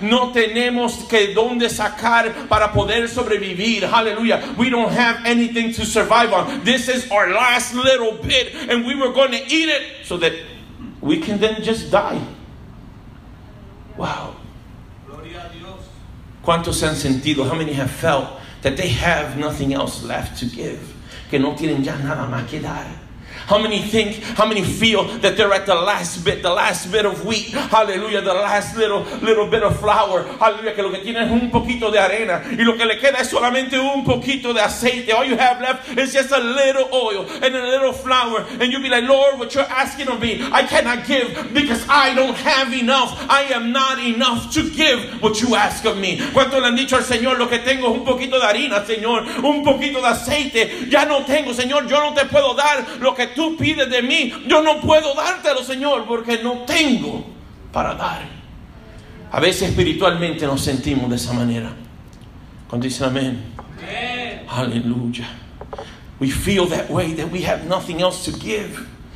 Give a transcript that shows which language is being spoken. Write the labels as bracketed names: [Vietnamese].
[Spanish] No tenemos que dónde sacar para poder sobrevivir. [English] Hallelujah. We don't have anything to survive on. This is our last little bit. And we were going to eat it so that we can then just die. Wow. [Spanish] ¿Cuántos han sentido? [English] How many have felt that they have nothing else left to give? [Spanish] Que no tienen ya nada más que dar. [English] How many think, how many feel that they're at the last bit of wheat? Hallelujah, the last little bit of flour. [Spanish] Hallelujah, que lo que tienen es un poquito de arena. Y lo que le queda es solamente un poquito de aceite. [English] All you have left is just a little oil and a little flour. And you'll be like, Lord, what you're asking of me, I cannot give because I don't have enough. I am not enough to give what you ask of me. [Spanish] ¿Cuánto le han dicho al Señor? Lo que tengo es un poquito de harina, Señor. Un poquito de aceite. Ya no tengo, Señor. Yo no te puedo dar lo que tú pides de mí. Yo no puedo dártelo, Señor, porque no tengo para dar. A veces espiritualmente nos sentimos de esa manera. Cuando dicen amén. Aleluya. [English] We feel that way, that we have nothing else to give.